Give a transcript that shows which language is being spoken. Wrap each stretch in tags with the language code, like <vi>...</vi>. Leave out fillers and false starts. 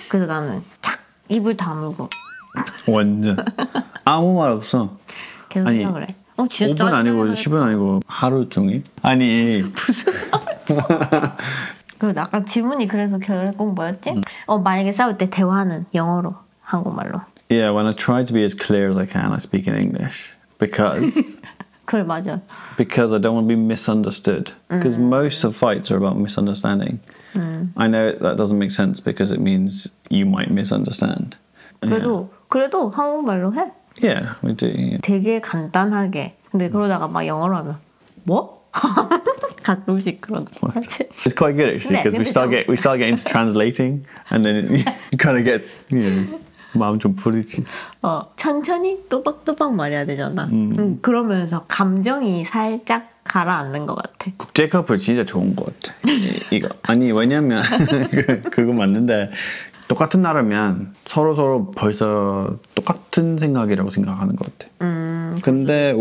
<ko>그래서 나는 착! 입을 다물고 완전 아무 말 없어. 계속 아니, 그래. 어, 진짜 5분 아니고 10분 아니고 하루 종일? 아니 무슨 말? 아까 질문이 그래서 결국 뭐였지? 만약에 싸울 때 대화는 영어로 한국말로.</ko> <en>Yeah, when I try to be as clear as I can, I speak in English. Because</en> <ko>그걸 맞아.</ko> <en>Because I don't want to be misunderstood. Because most of fights are about misunderstanding. I know that doesn't make sense because it means you might misunderstand.</en> <ko>그래도 yeah. 그래도 한국말로 해.</ko> <en>Yeah, we do. Yeah.</en> <ko>되게 간단하게. 근데 그러다가 막 영어로 하면 뭐? 가끔씩 그런 거.</ko> <en>It's quite good actually because we start getting into translating and then it kind of gets, you know,</en> <ko>마음 좀 부리지. 어, 천천히 또박또박 말해야 되잖아. 그러면서 감정이 살짝 가라앉는 것 같아. 국제커플 진짜 좋은 것 같아. 이거 아니 왜냐면 그거 맞는데 똑같은 나라면 서로 벌써 똑같은 생각이라고 생각하는 것 같아. 근데 그렇죠.</ko>